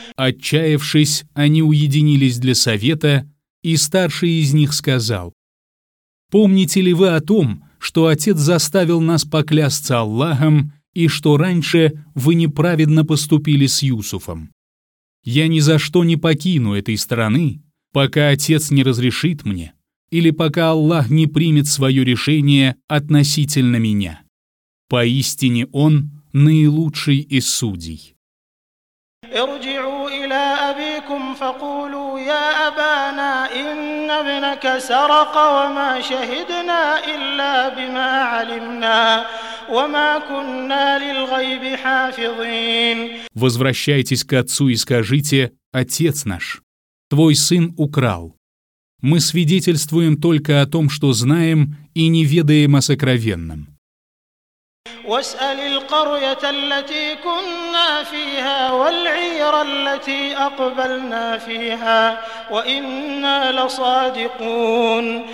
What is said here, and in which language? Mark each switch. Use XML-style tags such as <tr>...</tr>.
<ru>Отчаявшись, они уединились для совета, и старший из них сказал: «Помните ли вы о том, что отец заставил нас поклясться Аллахом, и что раньше вы неправедно поступили с Юсуфом? Я ни за что не покину этой страны, пока отец не разрешит мне, или пока Аллах не примет свое решение относительно меня. Поистине Он наилучший из судей».</ru> <ar>ارجعوا إلى أبيكم فقولوا يا أبانا إن ابنك سرق وما شهدنا إلا بما علمنا وما كنا للغيب حافظين.</ar> <ru>Возвращайтесь к отцу и скажите: «Отец наш, твой сын украл. Мы свидетельствуем только о том, что знаем, и не ведаем о сокровенном».</ru> <ar>وَاسْأَلِ الْقَرْيَةَ الَّتِي كُنَّا فِيهَا وَالْعِيرَ الَّتِي أَقْبَلْنَا فِيهَا وَإِنَّا لَصَادِقُونَ.</ar>